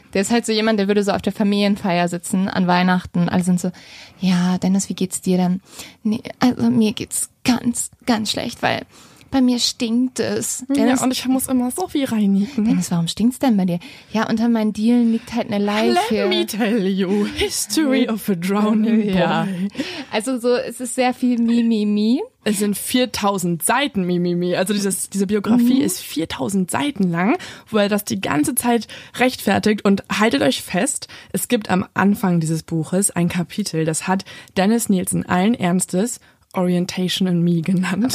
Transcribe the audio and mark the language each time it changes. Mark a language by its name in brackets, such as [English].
[German] Der ist halt so jemand, der würde so auf der Familienfeier sitzen an Weihnachten und alle sind so, ja Dennis, wie geht's dir denn? Nee, also mir geht's ganz, ganz schlecht, weil bei mir stinkt es. Dennis, ja, und ich muss immer so viel reinigen. Dennis, warum stinkt es denn bei dir? Ja, unter meinen Dielen liegt halt eine Leiche. [English] Let me tell you, history of a drowning boy. [German] Ja. Also so, es ist sehr viel Mi. Es sind 4000 Seiten Mi. Also diese Biografie ist 4000 Seiten lang, wo er das die ganze Zeit rechtfertigt. Und haltet euch fest, es gibt am Anfang dieses Buches ein Kapitel, das hat Dennis Nielsen allen Ernstes Orientation in Me genannt.